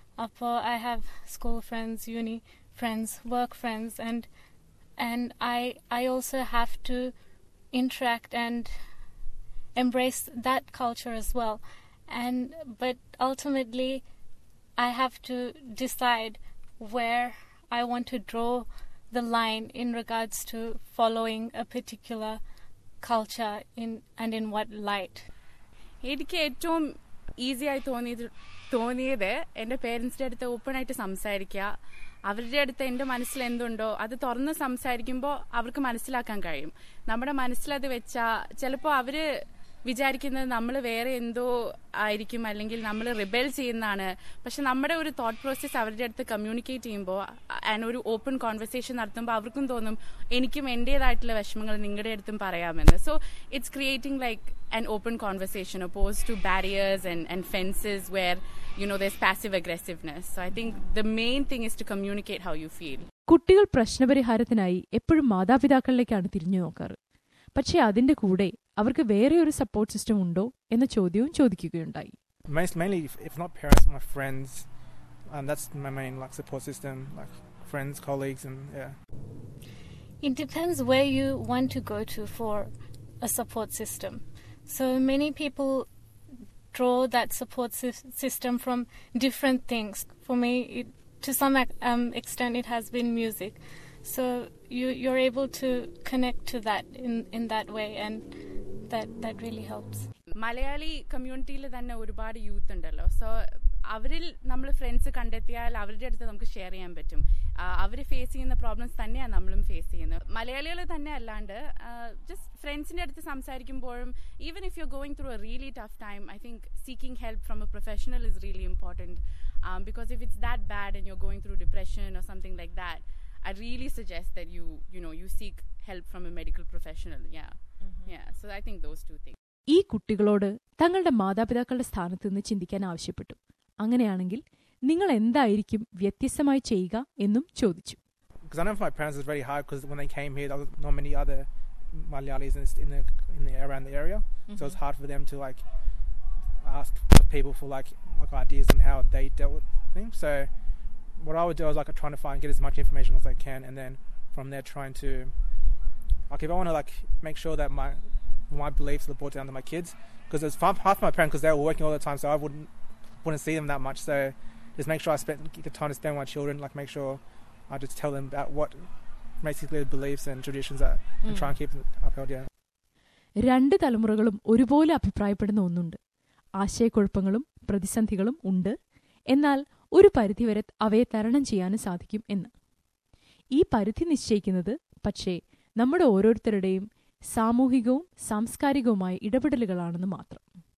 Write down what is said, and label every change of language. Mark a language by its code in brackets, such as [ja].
[ml] Appo [en] I have school friends, uni friends, work friends, and I also have to interact and embrace that culture as well. But ultimately I have to decide where I want to draw the line in regards to following a particular culture in what light. [ml] എനിക്ക് ഏറ്റവും ഈസിയായി തോന്നിയത് എൻ്റെ പേരൻസിൻ്റെ അടുത്ത് ഓപ്പണായിട്ട് സംസാരിക്കുക, അവരുടെ അടുത്ത് എൻ്റെ മനസ്സിൽ എന്തുണ്ടോ അത് തുറന്ന് സംസാരിക്കുമ്പോൾ അവർക്ക് മനസ്സിലാക്കാൻ കഴിയും. നമ്മുടെ മനസ്സിലത് വെച്ചാൽ ചിലപ്പോൾ അവർ വിചാരിക്കുന്നത് നമ്മൾ വേറെ എന്തോ ആയിരിക്കും, അല്ലെങ്കിൽ നമ്മൾ റിബെൽ ചെയ്യുന്നതാണ്. പക്ഷെ നമ്മുടെ ഒരു തോട്ട് പ്രോസസ്സ് അവരുടെ അടുത്ത് കമ്മ്യൂണിക്കേറ്റ് ചെയ്യുമ്പോൾ ആൻഡ് ഒരു ഓപ്പൺ കോൺവെർസേഷൻ നടത്തുമ്പോൾ അവർക്കും തോന്നും എനിക്കും എൻ്റേതായിട്ടുള്ള വിഷമങ്ങൾ നിങ്ങളുടെ അടുത്തും പറയാമെന്ന്. [en] So it's creating like an open conversation oppose to barriers and fences where you know there's passive aggressiveness. So I think the main thing is to communicate how you feel. [ml] കുട്ടികൾ പ്രശ്നപരിഹാരത്തിനായി എപ്പോഴും മാതാപിതാക്കളിലേക്കാണ് തിരിഞ്ഞു നോക്കാറ്. പക്ഷേ അതിന്റെ കൂടെ അവർക്ക് വേറെ ഒരു സപ്പോർട്ട് സിസ്റ്റം ഉണ്ടോ എന്ന ചോദ്യവും ചോദിക്കുകയുണ്ടായി. [en] Mainly if not parents, my friends, and that's my main like support system, like friends, colleagues, and yeah. It depends where you want to go to for a support system. So many people draw that support system from different things. For me, to some extent it has been music. So you're able to connect to that in that way, and that really helps. [ml] Malayali കമ്മ്യൂണിറ്റിയിൽ തന്നെ ഒരുപാട് youth ഉണ്ടല്ലോ. So അവരിൽ നമ്മൾ friends കണ്ടെത്തിയാൽ അവരുടെ അടുത്ത് നമുക്ക് ഷെയർ ചെയ്യാൻ പറ്റും. അവർ ഫേസ് ചെയ്യുന്ന പ്രോബ്ലംസ് തന്നെയാണ് നമ്മളും ഫേസ് ചെയ്യുന്നത്. മലയാളികൾ തന്നെ അല്ലാണ്ട് ജസ്റ്റ് ഫ്രണ്ട്സിൻ്റെ അടുത്ത് സംസാരിക്കുമ്പോഴും, [en] Even if you are going through a really tough time, I think seeking help from a professional is really important. Because if it's that bad and you are going through depression or something like that, I really suggest that you seek help from a medical professional. Yeah yeah so I think those two things. [ml] ഈ കുട്ടികളോട് തങ്ങളുടെ മാതാപിതാക്കളുടെ സ്ഥാനത്ത് നിന്ന് ചിന്തിക്കാൻ ആവശ്യപ്പെട്ടു. അങ്ങനെയാണെങ്കിൽ നിങ്ങൾ എന്തായിരിക്കും വ്യത്യസ്തമായി ചെയ്യുക എന്നും ചോദിച്ചു. [en] Because I know for my parents it's very hard, because when they came here there was not many other Malayalis in the around the area. Mm-hmm. So it's hard for them to like ask people for like ideas on how they dealt with things. So what I would do is like trying to find and get as much information as I can, and then from there trying to like, if I want to like make sure that my beliefs are brought down to my kids, because it's half my parents, because they were working all the time, so I wouldn't see them that much. So just make sure I spend the time to spend with my children, like make sure I just tell them about what basically the beliefs and traditions are. Mm. And try and keep them upheld. Yeah. [ml] രണ്ട് തലമുറകളും ഒരുപോലെ അഭിപ്രായപ്പെടുന്ന ഒന്നുണ്ട്. ആശയക്കുഴപ്പങ്ങളും പ്രതിസന്ധികളും ഉണ്ട്, എന്നാൽ ഒരു പരിധിവരെ അവയെ തരണം ചെയ്യാനും സാധിക്കും എന്ന്. ഈ പരിധി നിശ്ചയിക്കുന്നത് പക്ഷേ നമ്മുടെ ഓരോരുത്തരുടെയും സാമൂഹികവും സാംസ്കാരികവുമായ ഇടപെടലുകളാണെന്ന് മാത്രം.